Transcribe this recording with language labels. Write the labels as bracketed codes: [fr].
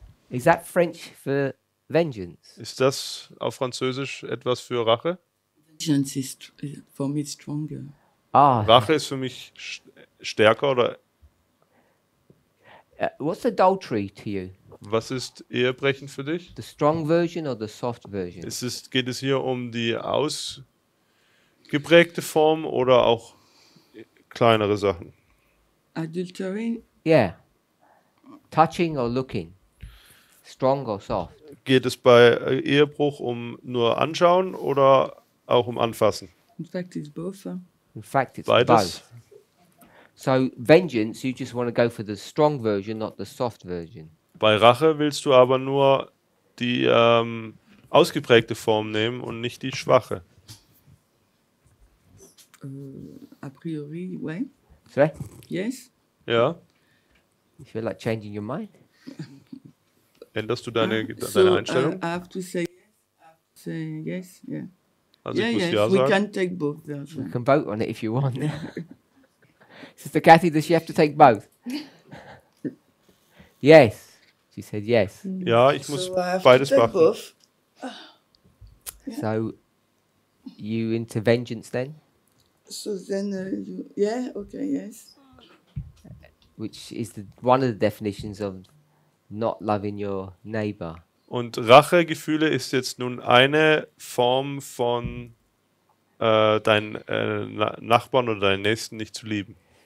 [en] Is that French for vengeance? [de] Ist das auf Französisch etwas für Rache? [en] Vengeance is for me stronger. Ah. [de] Rache ist für mich stärker oder? [en] What's adultery to you? [de] Was ist Ehebrechen für dich? [en] The strong version or the soft version? [de] Geht es hier um die ausgeprägte Form oder auch kleinere Sachen? [en] Adultery? Yeah. Touching or looking. strong or soft? [de] Geht es bei Ehebruch um nur anschauen oder auch um anfassen? [en] In fact, it's both. In fact, it's beides. So, vengeance, you just want to go for the strong version, not the soft version. [de] Bei Rache willst du aber nur die ausgeprägte Form nehmen und nicht die schwache. [en] A priori, way. Sorry? Yes? [de] Ja. [en] You feel like changing your mind? [de] Änderst du deine Einstellung? [en] I have to say yes. Say yes, yeah. [de] Also yeah, ich muss yes. Ja [en] we [de] sagen. [en] We can take both. You can vote on it if you want. Sister Kathy, does she have to take both? Yes. She said yes. [de] Ja, ich muss beides machen. [en] Both. So, you into vengeance then? So then, yes. Which is one of the definitions of not loving your neighbor. [de] Und Rachegefühle ist jetzt nun eine Form von deinen Nachbarn oder deinen Nächsten nicht zu lieben.